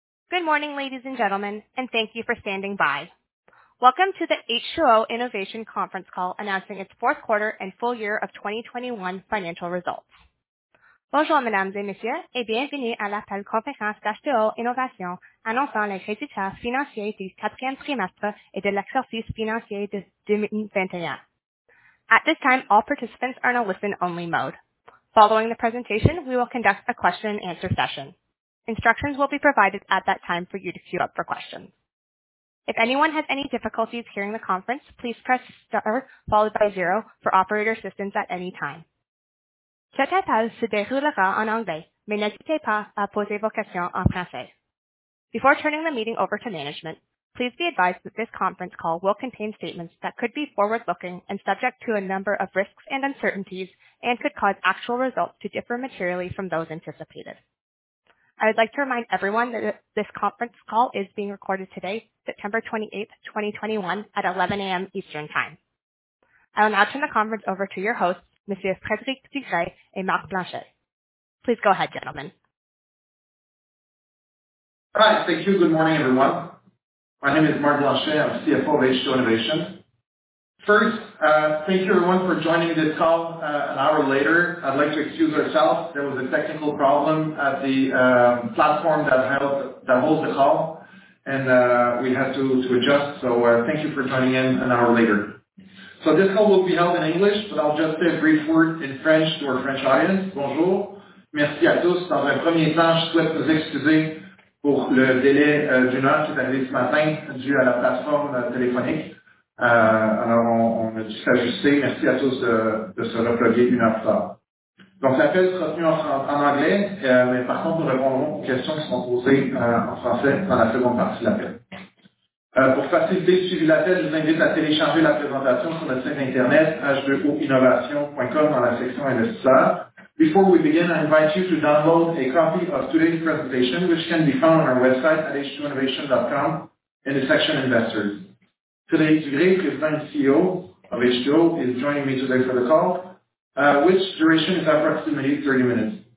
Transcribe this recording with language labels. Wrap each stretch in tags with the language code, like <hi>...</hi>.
<en>Good morning, ladies and gentlemen, and thank you for standing by. Welcome to the H2O Innovation conference call announcing its fourth quarter and full year of 2021 financial results.</en> <fr>Bonjour, mesdames et messieurs, et bienvenue à l'appel conférence d'H2O Innovation annonçant les résultats financiers du quatrième trimestre et de l'exercice financier de 2021.</fr> <en>At this time, all participants are in a listen-only mode. Following the presentation, we will conduct a question-and-answer session. Instructions will be provided at that time for you to queue up for questions. If anyone has any difficulties hearing the conference, please press star followed by zero for operator assistance at any time.</en> <fr>Cette appel se déroulera en anglais, mais n'hésitez pas à poser vos questions en français.</fr> <en>Before turning the meeting over to management, please be advised that this conference call will contain statements that could be forward-looking and subject to a number of risks and uncertainties and could cause actual results to differ materially from those anticipated. I would like to remind everyone that this conference call is being recorded today, September 28, 2021, at 11 a.m. Eastern Time. I will now turn the conference over to your hosts, Monsieur Frédéric Dugray and Marc Blanchet. Please go ahead, gentlemen. Hi, thank you. Good morning, everyone. My name is Marc Blanchet. I'm CFO of H2O Innovation. First, thank you, everyone, for joining this call an hour later. I'd like to excuse ourselves. There was a technical problem at the platform that holds the call, and we had to adjust. So thank you for joining in an hour later. So this call will be held in English, but I'll just say a brief word in French to our French audience.</en> <fr>Bonjour. Merci à tous. Dans un premier temps, je souhaite vous excuser pour le délai d'une heure qui est arrivé ce matin dû à la plateforme téléphonique. Alors, on a dû s'ajuster. Merci à tous de se reploguer une heure tard. Donc, l'appel sera tenu en anglais, mais par contre, nous répondrons aux questions qui seront posées en français dans la seconde partie de l'appel. Pour faciliter le suivi de l'appel, je vous invite à télécharger la présentation sur notre site internet h2oinnovation.com dans la section investisseurs.</fr> <en>Before we begin, I invite you to download a copy of today's presentation, which can be found on our website at h2innovation.com in the section investors. Frédéric Dugray, President and CEO of H2O, is joining me today for the call, which duration is approximately 30 minutes.</en>